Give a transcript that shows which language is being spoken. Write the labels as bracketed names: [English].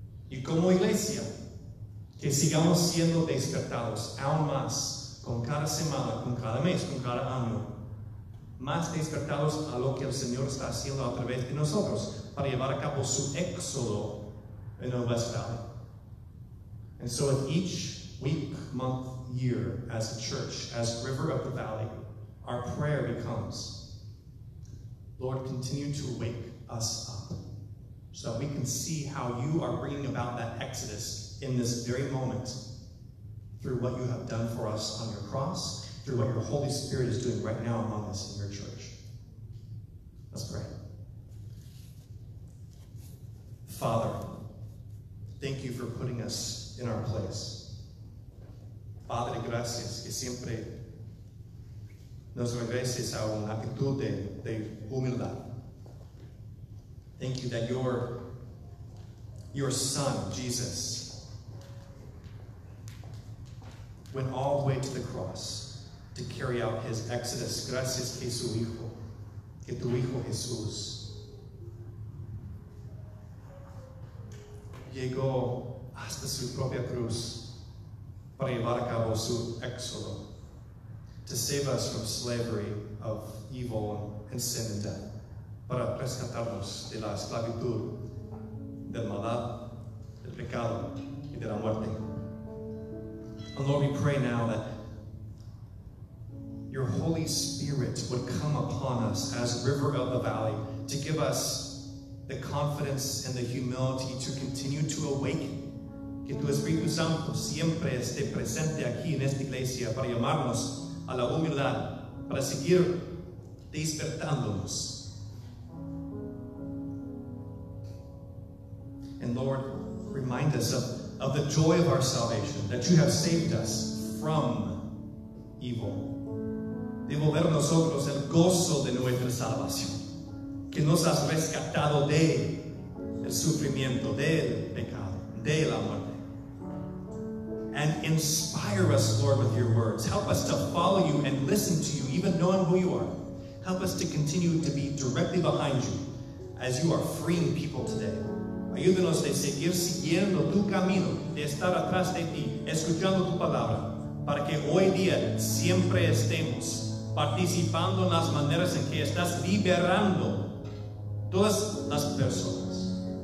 [Spanish] Y como iglesia, que sigamos siendo despertados aún más con cada semana, con cada mes, con cada año. Más despertados a lo que el Señor está haciendo a través de nosotros para llevar a cabo su éxodo en el West Valley. [English] And so with each week, month, year, as a church, as River of the Valley, our prayer becomes, Lord, continue to wake us up so that we can see how you are bringing about that exodus in this very moment, through what you have done for us on your cross, through what your Holy Spirit is doing right now among us in your church. Let's pray. Father, thank you for putting us in our place. [Spanish] Padre, gracias que siempre nos regreses a una actitud de humildad. [English] Thank you that your Son, Jesus, went all the way to the cross to carry out his exodus. [Spanish] Gracias que su hijo, que tu hijo Jesús, llegó hasta su propia cruz para llevar a cabo su éxodo, [English] to save us from slavery of evil and sin and death, [Spanish] para rescatarnos de la esclavitud, del maldad, del pecado, y de la muerte. [English] And Lord, we pray now that your Holy Spirit would come upon us as river of the valley to give us the confidence and the humility to continue to awaken. [Spanish] Que tu Espíritu Santo siempre esté presente aquí en esta iglesia para llamarnos a la humildad, para seguir despertándonos. [English] And Lord, remind us of the joy of our salvation, that you have saved us from evil. [Spanish] Devolver a nosotros el gozo de nuestra salvación, que nos has rescatado de el sufrimiento, del pecado, de la muerte. [English] And inspire us, Lord, with your words. Help us to follow you and listen to you, even knowing who you are. Help us to continue to be directly behind you as you are freeing people today. [Spanish] Ayúdenos de seguir siguiendo tu camino, de estar atrás de ti, escuchando tu palabra, para que hoy día siempre estemos participando en las maneras en que estás liberando todas las personas.